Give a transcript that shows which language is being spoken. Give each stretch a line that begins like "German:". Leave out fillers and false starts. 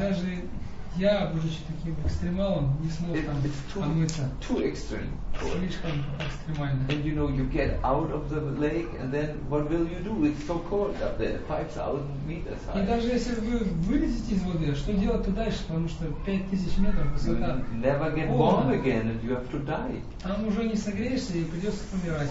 Russian: И даже я, будучи таким экстремалом, не смог там омыться.
English: Too extreme.
Russian: Слишком экстремально.
English: And you know, you get out of the lake, and then what will you do? It's so cold up there, 5,000 meters high.
Russian: И даже если вы вылезете из воды, что делать-то дальше, потому что 5,000 метров высота.
English: You never get warm again, and you have to die.
Russian: Там уже не согреешься, и придется помирать.